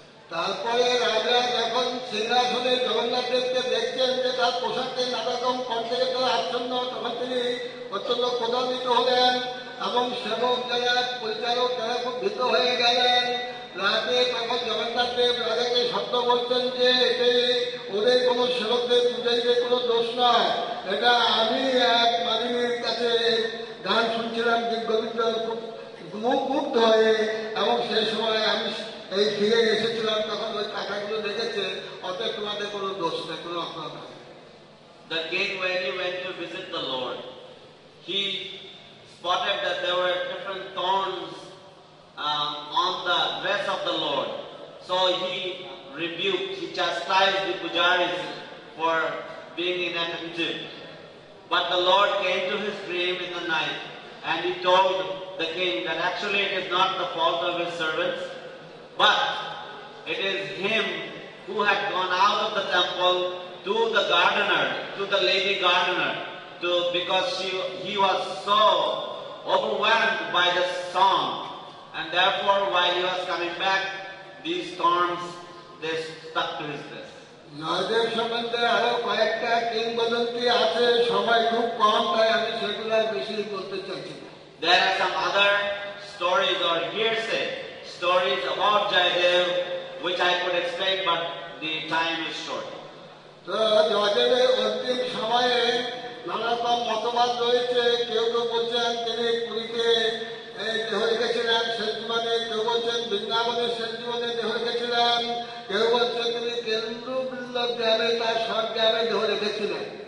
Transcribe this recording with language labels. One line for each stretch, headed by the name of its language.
Bangla: তারপরে রাজা যখন সিংহাসনে জগন্নাথ দেবকে দেখছেন যে তার পোশাকে নানারকম কণ্ঠে আচ্ছন্ন তখন তিনি অত্যন্ত ক্রোধান্বিত হলেন এবং সেবক যারা পরিচালক তারা খুব ভীত হয়ে গেলেন রাতে তখন জগন্নাথ দেব রাজাকে সত্য বলছেন যে এতে ওদের কোনো সেবকদের পূজারীদের কোনো দোষ নয় এটা আমি এক মালিনীর কাছে গান শুনছিলাম যে গোবিন্দ মুগ্ধ হয়ে এবং সেই সময় আমি এই ফিরে এসেছিলাম তখন ওই কাকাগুলো দেখেছে অতএব তোমাদের কোনো দোষ নেই কোনো অপরাধ নেই
English: The king, when he went to visit the Lord, he spotted that there were different thorns on the dress of the Lord. So he rebuked, he chastised the pujaris for being inattentive. But the Lord came to his dream in the night and he told the king that actually it is not the fault of his servants, but it is him who had gone out of the temple to the gardener, to the lady gardener, because he was so overwhelmed by the song. And therefore, while he was coming back, these thorns, they stuck to his dress.
Bangla: নয়দেব সম্বন্ধে আরো কয়েকটা কিংবদন্তি আছে সময় খুব কম তাই আমি সেগুলো বেশি বলতে চাইছি না
English: There are some other stories or hearsay stories about Jayadev which I could explain but the time is short.
Bangla: তো জয়দেবের অন্তিম সময়ে নানারকম মতবাদ রয়েছে কেউ কেউ বলছেন তিনি পুরীতে দেহ রেখেছিলেন শেষ জীবনে কেউ বলছেন বৃন্দাবনের শেষ জীবনে দেহ রেখেছিলেন কেউ বলছেন তিনি কেন্দ্রবৃন্দ গ্রামে তার সব গ্রামে দেহ রেখেছিলেন